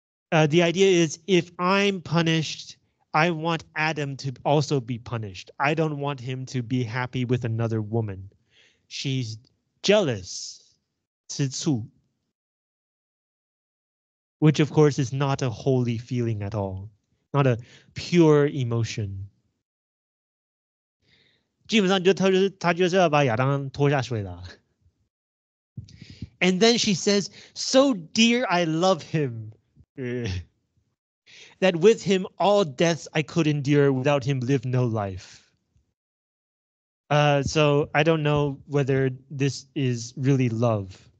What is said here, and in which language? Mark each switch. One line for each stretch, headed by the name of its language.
English: The idea is, if I'm punished, I want Adam to also be punished. I don't want him to be happy with another woman. She's jealous. 吃醋. Which, of course, is not a holy feeling at all. Not a pure emotion.
Chinese: 基本上就是他就是要把亚当拖下水了。
English: And then she says, so dear, I love him that with him all deaths I could endure, without him live no life. So I don't know whether this is really love.